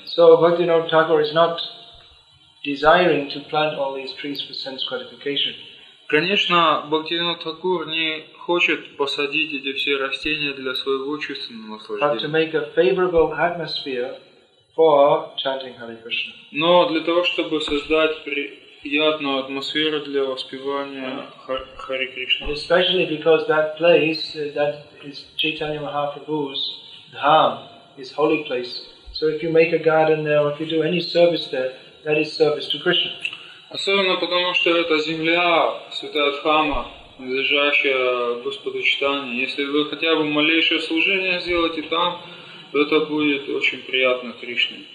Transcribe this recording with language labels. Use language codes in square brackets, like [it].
[en] So, Bhaktivinoda Thakur is not desiring to plant all these trees for sense gratification. [ru] Конечно, Бхактивинода Тхакур не хочет посадить эти все растения для своего чувственного наслаждения. [en] But to make a favorable atmosphere for chanting Hare Krishna. [ru] Но для того, чтобы создать приятную атмосферу для воспевания Хари Кришны. [en] Especially because that place, that is Chaitanya Mahaprabhu's dham, his holy place. So if you make a garden there, or if you do any service there, that is service to Krishna. [ru] Особенно потому, что это земля святая Дхама, принадлежащая Господу Чайтанье. Если вы хотя бы малейшее служение сделаете там, то это будет очень приятно Кришне.